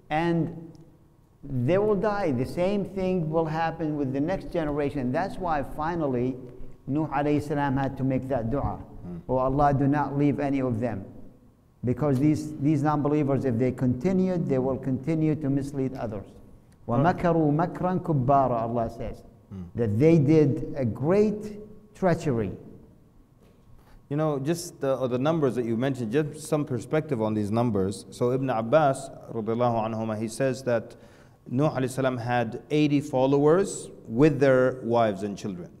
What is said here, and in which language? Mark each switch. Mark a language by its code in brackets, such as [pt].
[en] And they will die. The same thing will happen with the next generation. That's why finally, Nuh alayhi salam had to make that dua. Oh Allah, do not leave any of them. Because these non-believers, if they continued, they will continue to mislead others. [ar] وَمَكَرُوا مَكْرًا كُبَّارًا, [en] Allah says. That they did a great treachery. You know, just the numbers that you mentioned, just some perspective on these numbers. So Ibn Abbas, radiallahu anhuma, he says that Nuh alayhi salam had 80 followers with their wives and children.